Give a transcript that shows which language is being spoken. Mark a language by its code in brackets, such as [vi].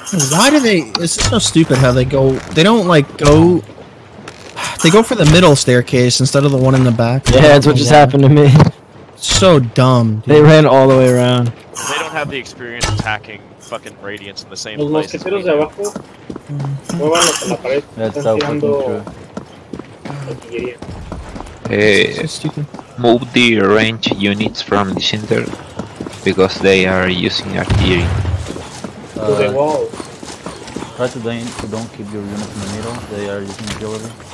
[en] Why do they? It's so stupid how they go. They don't like go. They go for the middle staircase instead of the one in the back. Yeah, that's what just happened to me. So dumb. Dude. They ran all the way around. They don't have the experience attacking fucking Radiance in the same place. [es] Los mosqueteros de abajo muevan los de la pared. [en] That's so fucking true. Move the range units from the center because they are using artillery. To the walls. Try to don't keep your units in the middle. They are using artillery.